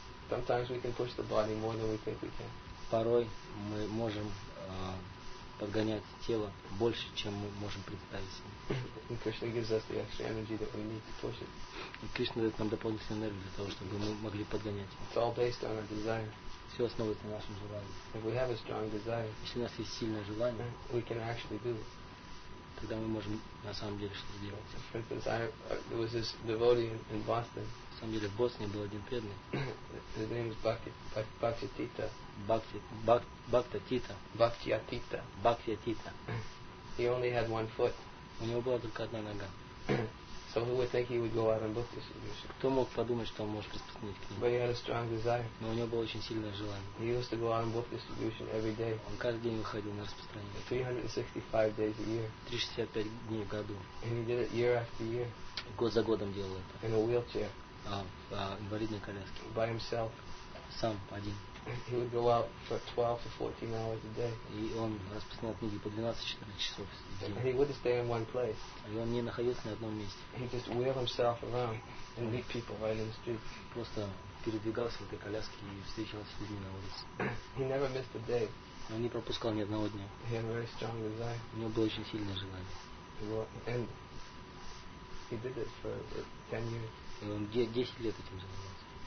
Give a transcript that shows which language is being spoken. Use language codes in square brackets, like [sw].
[en] Sometimes we can push the body more than we think we can. [ru] Порой мы можем подгонять тело больше, чем мы можем представить себе. [en] And Krishna gives us the extra energy that we need to push it. [ru] И Кришна дает нам дополнительную энергию для того, чтобы мы могли подгонять. [en] It's all based on our desire. [ru] Все основывается на нашем желании. [en] If we have a strong desire, [ru] если у нас есть сильное желание, [en] we can actually do it. [ru] Тогда мы можем на самом деле что-то сделать. [en] For instance, there was this devotee in Boston. [ru] На самом деле в Боснии был один преданный. [en] His name is Bhakti Tita. Bhakti Tita. He only had one foot. [ru] У него была только одна нога. [en] So who would think he would go out and book this issue? [ru] Кто мог подумать, что он может распространить книгу? [en] But he had a strong desire. [ru] Но у него было очень сильное желание. [en] He used to go out and book this issue every day. [ru] Он каждый день выходил на распространение. [en] 365 days a year. [ru] 365 дней в году. [en] And he did it year after year. [ru] Год за годом делал это. [en] In a wheelchair. [ru] В инвалидной коляске. [en] By himself. [ru] Сам один. [en] He would go out for 12 to 14 hours a day. [ru] И он распространял книги по 12-14 часов. [en] And he wouldn't stay in one place. [ru] И он не находился на одном месте. [en] He just wheeled himself around and meet people right in the street. [ru] Просто передвигался в этой коляске и встречался с людьми на улице. [en] He never missed a day. [ru] Он не пропускал ни одного дня. [en] He had a very strong desire. [ru] У него было очень сильное желание. [en] And he did it for 10 years. [ru] И он 10 лет этим занимался.